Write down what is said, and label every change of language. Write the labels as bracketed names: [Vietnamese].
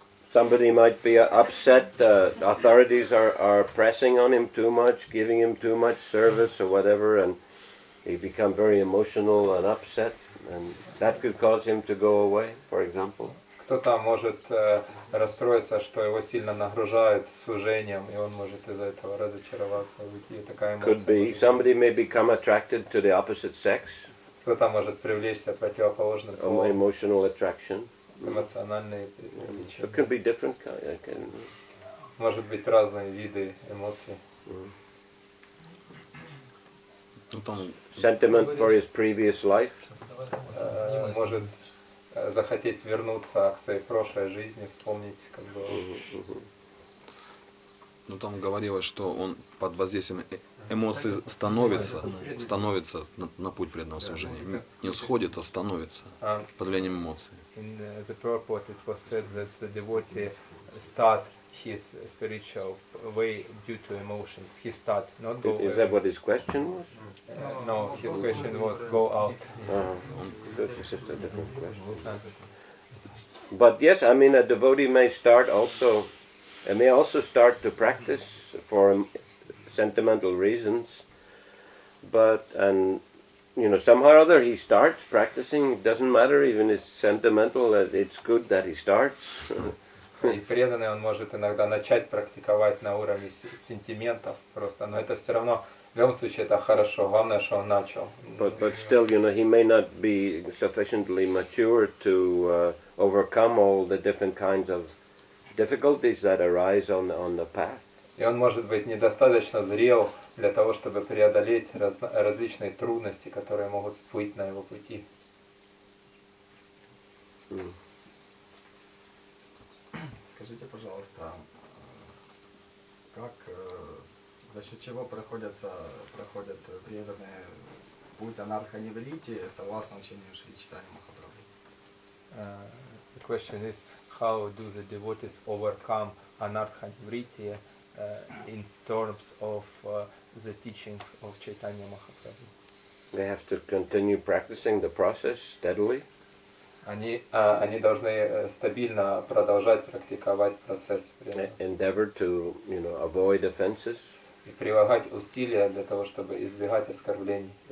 [English] Somebody might be upset, authorities are pressing on him too much, giving him too much service or whatever, and he become very emotional and upset, and that could cause him to go away, for example. [Russian] Кто-то может расстроиться, что его сильно нагружают служением, и он может из-за этого разочароваться, уйти, и такая эмоция. [English] Could be. Somebody may become attracted to the opposite sex. [Russian] Кто-то может привлечься противоположным полом. [English] Emotional attraction. [Russian] Эмоциональные [English] It could be different kind. Can... [Russian] Может быть разные виды эмоций. [English] Sentiment for his previous life. [Russian] Может захотеть вернуться к своей прошлой жизни, вспомнить, как было. Ну там говорилось, что он под воздействием эмоций становится на путь преданного служения. Не сходит, а становится под влиянием эмоций. [English] In the purport it was said that the devotee start his spiritual way due to emotions. He start not go Is that what his question was? No, his question was go out. That's just a different question. But yes, I mean a devotee may start also and may also start to practice for sentimental reasons, but and you know somehow or other he starts practicing. It doesn't matter even if it's sentimental. It's good that he starts. [Russian] И преданный он может иногда начать практиковать на уровне сентиментов просто, но это все равно в любом случае это хорошо. Главное, что он начал. [English] But still, you know, he may not be sufficiently mature to overcome all the different kinds of difficulties that arise on the path. [Russian] И он может быть недостаточно зрел для того, чтобы преодолеть различные трудности, которые могут всплыть на его пути. Скажите, пожалуйста, как за счет чего проходят преданные путь анарха-невритти согласно учению Шри Чайтанья Махапрабху? [English] The question is, how do the devotees overcome anarcha-nivritti in terms of the teachings of Chaitanya Mahaprabhu? They have to continue practicing the process steadily. [Russian] Они должны стабильно продолжать практиковать процесс. [English] Endeavor to, you know, avoid offenses. [Russian] И прилагать усилия для того, чтобы избегать оскорблений.